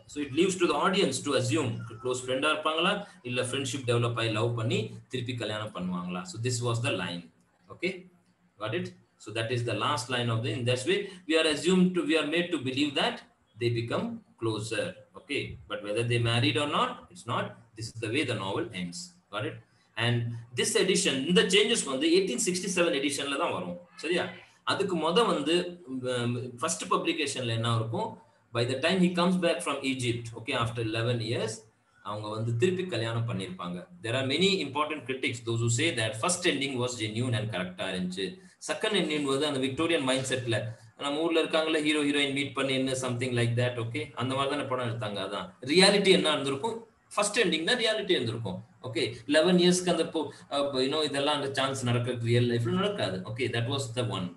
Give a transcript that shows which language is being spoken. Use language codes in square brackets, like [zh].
[en] so it leaves to the audience to assume close ஃப்ரெண்டா [ta] இருப்பாங்களா இல்ல [en] friendship develop [ta] ஆகி லவ் பண்ணி திருப்பி கல்யாணம் பண்ணுவாங்களா. [en] So this was the line. Okay, got it. So that is the last line of in that way we are assume to we are made to believe that they become closer. Okay, but whether they married or not, it's not, this is the way the novel ends. Got it? And this edition, the changes from the 1867 edition [ta] la dhaan varum. Seriya, adukku modha vandu [en] first publication [ta] la enna irukum, [en] by the time he comes back from Egypt, okay, after 11 years [ta] avanga vandu thirupi kalyanam pannirupanga. [en] There are many important critics, those who say that first ending was genuine and correct [ta] ah irundhuchu. [en] Second ending vandu and the Victorian mindset la [ta] நம்ம ஊர்ல இருக்காங்களே [en] hero heroine meet [ta] பண்ணி என்ன [en] Something like that. [ta] Okay, அந்த மாதிரி தான் படம் எடுத்தாங்க. அதான் ரியாலிட்டி என்ன இருந்திருக்கும், ஃபர்ஸ்ட் எண்டிங் தான் ரியாலிட்டி இருந்திருக்கும். ஓகே, 11 இயர்ஸ்க்கு அந்த யூனோ இதெல்லாம் அந்த சான்ஸ் நடக்கிறது ரியல் லைஃப்ல நடக்காது. Okay, [en] That was the one.